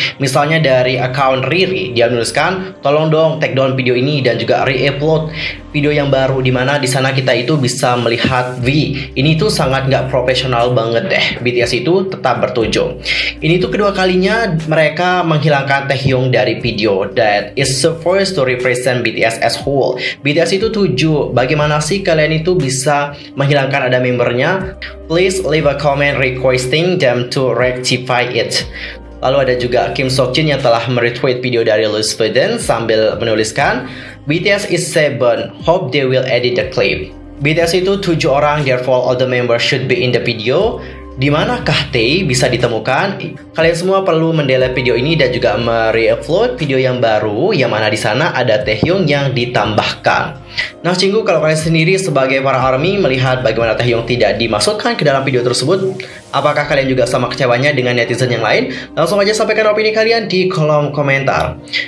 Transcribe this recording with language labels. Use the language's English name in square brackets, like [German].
[Indonesian] Misalnya dari akun Riri, dia menuliskan, "Tolong dong [English] take down [Indonesian] video ini dan juga re-upload video yang baru di mana di sana kita itu bisa melihat V. Ini tuh sangat nggak profesional banget deh. BTS itu tetap bertujuh. Ini tuh kedua kalinya mereka menghilangkan Taehyung dari video. [English] That is the first to represent BTS as whole. [Indonesian] BTS itu 7. Bagaimana sih kalian itu bisa menghilangkan ada membernya? [English] Please leave a comment requesting them to rectify it." [Indonesian] Lalu ada juga Kim Seokjin yang telah meretweet video dari Louis Vuitton sambil menuliskan, [English] "BTS is 7. Hope they will edit the clip. [Indonesian] BTS itu 7 orang, [English] therefore all the members should be in the video. [Indonesian] Di manakah Tae bisa ditemukan? Kalian semua perlu mendelete video ini dan juga mereupload video yang baru yang mana di sana ada Taehyung yang ditambahkan." Nah, cinggu, kalau kalian sendiri sebagai para ARMY melihat bagaimana Taehyung tidak dimasukkan ke dalam video tersebut, apakah kalian juga sama kecewanya dengan netizen yang lain? Langsung aja sampaikan opini kalian di kolom komentar.